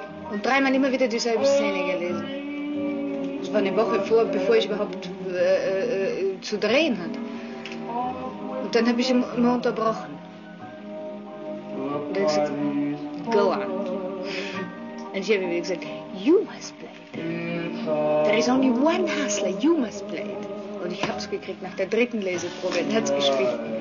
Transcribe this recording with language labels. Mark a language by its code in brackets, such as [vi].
[de] Und dreimal immer wieder dieselbe Szene gelesen. Das war eine Woche vor, bevor ich überhaupt zu drehen hatte. Und dann habe ich ihn immer unterbrochen. Und er hat gesagt, [en] go on. [de] Und ich habe ihm gesagt, [en] you must play it. There is only one hustler, you must play it. [de] Und ich habe es gekriegt nach der dritten Leseprobe. Er hat es gespielt.